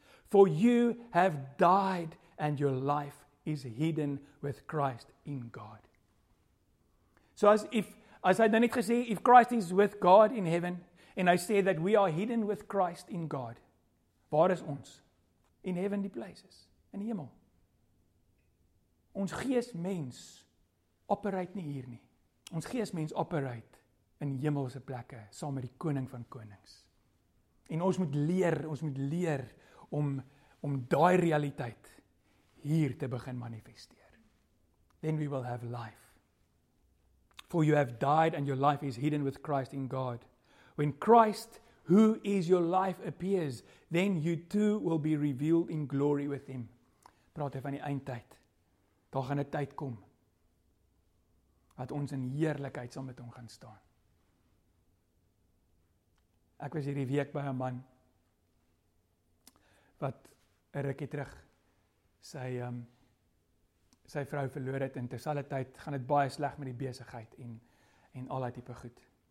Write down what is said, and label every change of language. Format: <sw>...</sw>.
<en>For you have died and your life is hidden with Christ in God.</en> <af>So as hy dan net gesê,</af> <en>if Christ is with God in heaven, and I say that we are hidden with Christ in God.</en> <af>Waar is ons?</af> <en>In heavenly places.</en> <af>In die hemel. Ons geesmens operate nie hier nie. Ons geesmens operate in hemelse plekke, saam met die koning van konings. En ons moet leer om daai realiteit hier te begin manifesteer.</af> <en>Then we will have life. For you have died and your life is hidden with Christ in God. When Christ, who is your life, appears, then you too will be revealed in glory with him.</en> <af>Praat hy van die eindtyd. Daar gaan 'n tyd kom wat ons in heerlikheid saam met hom gaan staan. Ek was hierdie week by 'n man wat 'n rukkie terug sy vrou verloor het en terselfdertyd gaan dit baie sleg met die besigheid en al daai tipe goed.</af>